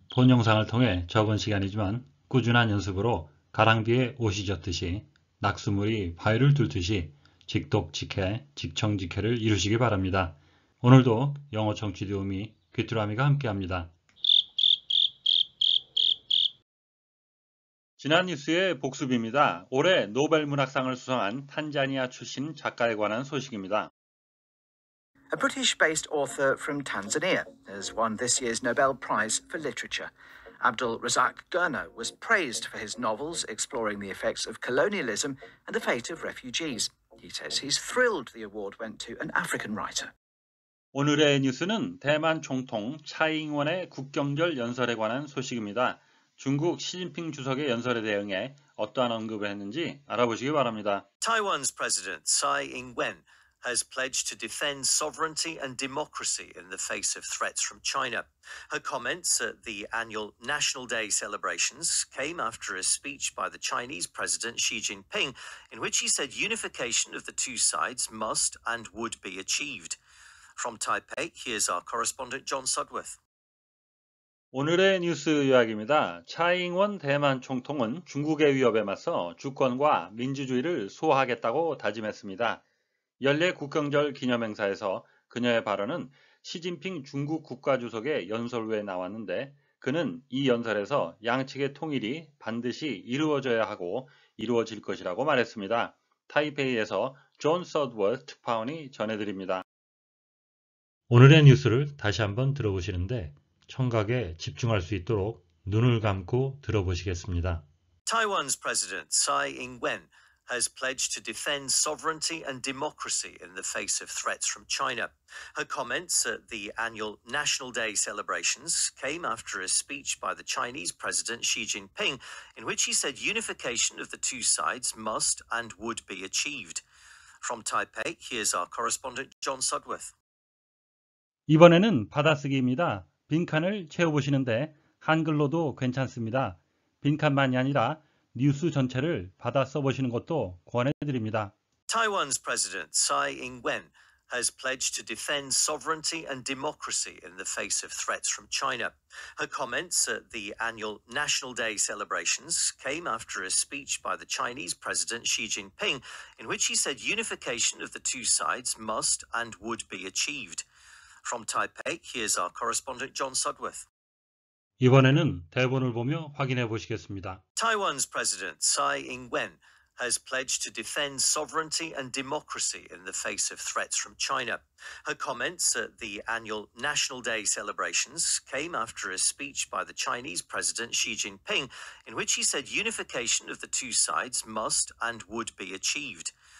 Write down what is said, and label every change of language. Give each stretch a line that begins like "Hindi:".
Korean: 본 영상을 통해 저번 시간이지만 꾸준한 연습으로 가랑비에 옷이 젖듯이 낙수물이 바위를 뚫듯이 직독직해, 직청직해를 이루시기 바랍니다. 오늘도 영어 청취 도우미 귀뚜라미가 함께합니다. 지난 뉴스의 복습입니다. 올해 노벨 문학상을 수상한 탄자니아 출신 작가에 관한 소식입니다.
English: A British-based author from Tanzania has won this year's Nobel Prize for Literature. Abdul Razak Gurnow was praised for his novels exploring the effects of colonialism and the fate of refugees. He says he's thrilled the award went to an African writer.
Korean: 오늘의 뉴스는 대만 총통 차이잉원의 국경절 연설에 관한 소식입니다. 중국 시진핑 주석의 연설에 대응해 어떠한 언급을 했는지 알아보시기 바랍니다.
English: Taiwan's president Tsai Ing-wen has pledged to defend sovereignty and democracy in the face of threats from China. Her comments at the annual National Day celebrations came after a speech by the Chinese president Xi Jinping, in which he said unification of the two sides must and would be achieved. From Taipei, here's our correspondent John Sudworth.
Korean: 오늘의 뉴스 요약입니다. 차이잉원 대만 총통은 중국의 위협에 맞서 주권과 민주주의를 수호하겠다고 다짐했습니다. 연례 국경절 기념행사에서 그녀의 발언은 시진핑 중국 국가주석의 연설 후에 나왔는데, 그는 이 연설에서 양측의 통일이 반드시 이루어져야 하고 이루어질 것이라고 말했습니다. 타이페이에서 존 서드워스 특파원이 전해드립니다. 오늘의 뉴스를 다시 한번 들어보시는데, 청각에 집중할 수 있도록 눈을 감고 들어보시겠습니다.
English: Taiwan's president Tsai Ing-wen has pledged to defend sovereignty and democracy in the face of threats from China. Her comments at the annual National Day celebrations came after a speech by the Chinese president Xi Jinping, in which he said unification of the two sides must and would be achieved. From Taipei, here's our correspondent John Sudworth.
Korean: 이번에는 받아쓰기입니다. 빈칸을 채워보시는데 한글로도 괜찮습니다. 빈칸만이 아니라 뉴스 전체를 받아 써보시는 것도 권해드립니다.
English: Taiwan's president Tsai Ing-wen has pledged to defend sovereignty and democracy in the face of threats from China. Her comments at the annual National Day celebrations came after a speech by the Chinese president Xi Jinping, in which he said unification of the two sides must and would be achieved. From Taipei, here's our correspondent John Sudworth.
Korean: 이번에는 대본을 보며 확인해 보시겠습니다.
English: Taiwan's president Tsai Ing-wen has pledged to defend sovereignty and democracy in the face of threats from China. Her comments at the annual National Day celebrations came after a speech by the Chinese president Xi Jinping, in which he said unification of the two sides must and would be achieved.